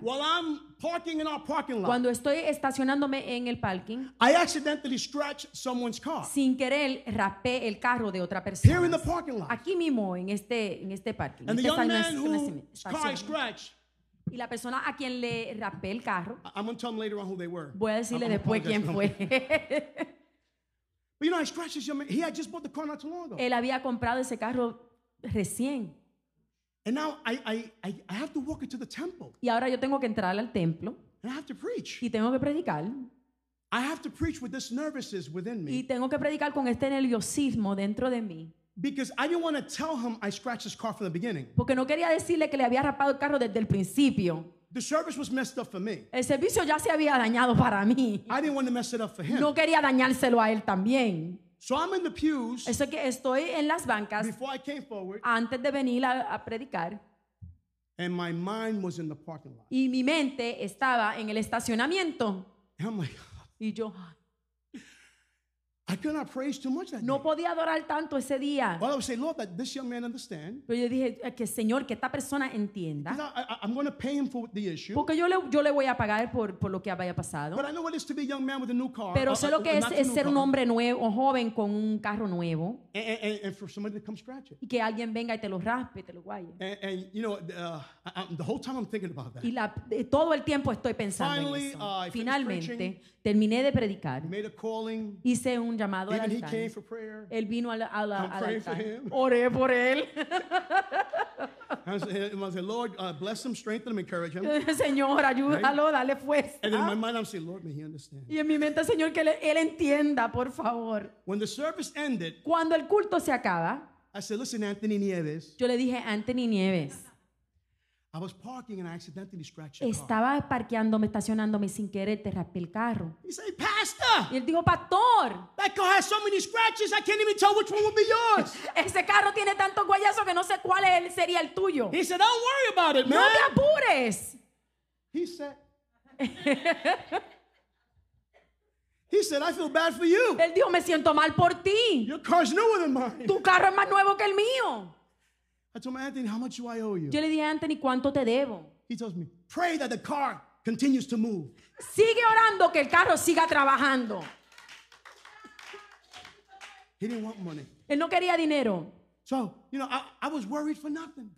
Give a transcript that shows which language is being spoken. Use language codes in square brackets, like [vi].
[en] While I'm parking in our parking lot, [es] cuando estoy estacionándome en el parking, [en] I accidentally scratched someone's car. [es] Sin querer rapé el carro de otra persona. [en] Here in the parking lot. [es] Aquí mismo en este parking. [en] And [es] este [en] the young man whose car I scratched. [es] Y la persona a quien le rapé el carro. [en] I'm gonna tell them later on who they were. [es] Voy a decirle después quién fue. [en] But you know, I scratched this young man. He had just bought the car not too long ago. [es] Él había comprado ese carro recién. [en] And now I have to walk into the temple. [es] Y ahora yo tengo que entrar al templo. [en] And I have to preach. [es] Y tengo que predicar. [en] I have to preach with this nervousness within me. [es] Y tengo que predicar con este nerviosismo dentro de mí. [en] Because I didn't want to tell him I scratched his car from the beginning. [es] Porque no quería decirle que le había rapado el carro desde el principio. [en] The service was messed up for me. [es] El servicio ya se había dañado para mí. [en] I didn't want to mess it up for him. [es] No quería dañárselo a él también. [en] So I'm in the pews. [es] Eso que estoy en las bancas. [en] Before I came forward. [es] Antes de venir a predicar. [en] And my mind was in the parking lot. [es] Y mi mente estaba en el estacionamiento. [en] Oh my God. [es] Y yo. [en] I could not praise too much that day. [es] No podía adorar tanto ese día. [en] Well, I would say, Lord, that this young man understand. [es] Pero yo dije que Señor, que esta persona entienda. [en] I'm going to pay him for the issue. [es] Porque yo le voy a pagar por lo que haya pasado. [en] But I know what it is to be a young man with a new car. [es] Pero sé lo que es ser un hombre nuevo, un joven con un carro nuevo. [en] And for somebody to come scratch it. [es] Y que alguien venga y te lo raspe, te lo guaye. [en] And you know, the whole time I'm thinking about that. [es] Y todo el tiempo estoy pensando [en] Finally, [es] en eso. [en] Finally, [es] finalmente, terminé de predicar. [en] Made a calling. [es] Hice un llamado [en] Even [es] al altar. [en] He came for prayer. [es] Él vino al altar. [en] I'm praying for him. [es] Oré por él. [en] I said, Lord, bless him, strengthen him, encourage him. [es] Señor, ayúdalo, right? Dale fuerza. [en] And in my mind, I'm saying, Lord, may he understand. [es] Y en mi mente, Señor, que él entienda, por favor. [en] When the service ended, [es] cuando el culto se acaba, [en] I said, listen, Anthony Nieves. [es] Yo le dije, Anthony Nieves. [en] I was parking and I accidentally scratched [es] the Estaba [en] car. [es] Estaba parqueándome, estacionándome sin querer, te raspé el carro. [en] He said, Pastor. [es] Y él dijo, Pastor. [en] That car has so many scratches, I can't even tell which one will be yours. [es] Ese carro tiene tantos guayazos que no sé cuál sería el tuyo. [en] He said, don't worry about it, man. [es] No te apures. [en] He said, I feel bad for you. [es] Él dijo, me siento mal por ti. [en] Your car's newer than mine. [es] Tu carro es más nuevo que el mío. [en] I told him, Anthony, how much do I owe you? [es] Yo le dije, Anthony, ¿cuánto te debo? [en] He tells me, pray that the car continues to move. [es] Sigue orando que el carro siga trabajando. [en] He didn't want money. [es] Él no quería dinero. [en] So, you know, I was worried for nothing.